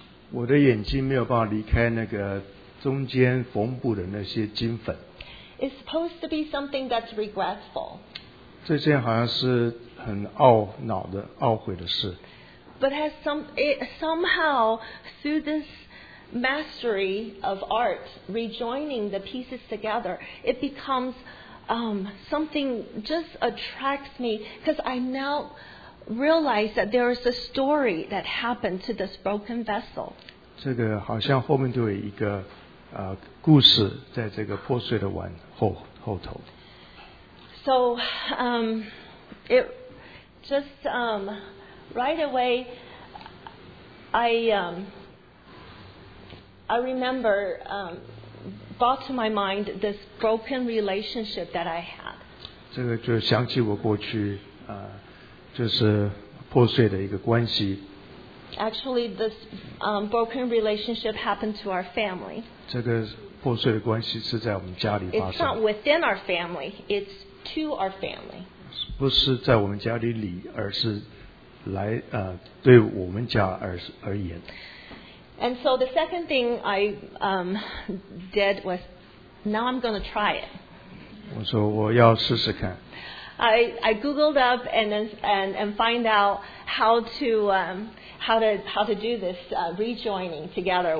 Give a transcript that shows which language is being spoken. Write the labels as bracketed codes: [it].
[zh] 我的眼睛没有办法离开那个中间缝补的那些金粉。 [en] It's supposed to be something that's regretful. [zh] 这件好像是很懊恼的懊悔的事。 [en] But has somehow through this mastery of art, rejoining the pieces together, it becomes something just attracts me because I now realize that there is a story that happened to this broken vessel. [zh] 这个好像后面都有一个故事在这个破碎的碗后头。 [en] So, it just right away, I I remember brought to my mind this broken relationship that I had. [zh] 这个就想起我过去就是破碎的一个关系。 [en] Actually, this broken relationship happened to our family. [zh] 这个破碎的关系是在我们家里发生。 [en] It's not within our family. It's to our family. [zh] 不是在我们家里里，而是来对我们家而言。 [en] And so the second thing I did was, now I'm going to try it. [zh] 我说我要试试看。 [en] I googled up and find out how to do this rejoining together.